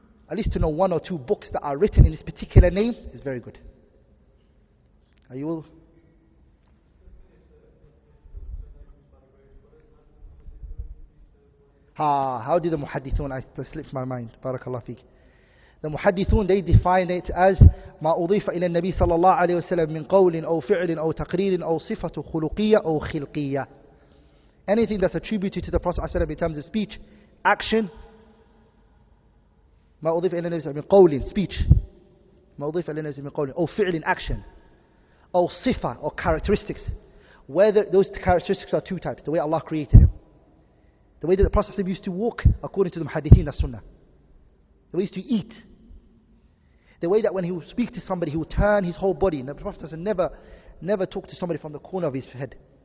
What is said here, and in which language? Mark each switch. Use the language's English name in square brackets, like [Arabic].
[English] At least to know one or two books that are written in this particular name is very good. Are you all? Huh? How did the muhaddithun, I slipped my mind, barakallahu feek. The muhaddithun, they define it as [Arabic] ما أضيف إلى النبي صلى الله عليه وسلم من قول أو فعل أو تقرير أو صفة خلقية أو خلقية. [English] Anything that's attributed to the Prophet ﷺ in terms of speech, action. [Arabic] ما أضيف إلى النبي صلى الله عليه وسلم من قول speech. ما أضيف إلى النبي صلى الله عليه وسلم من قول أو فعل action. أو صفة [English] or characteristics. Whether those characteristics are two types, the way Allah created them. The way that the Prophet ﷺ used to walk according to the muhaddithin as sunnah. The way he used to eat. The way that when he would speak to somebody, he would turn his whole body. The Prophet ﷺ never talked to somebody from the corner of his head.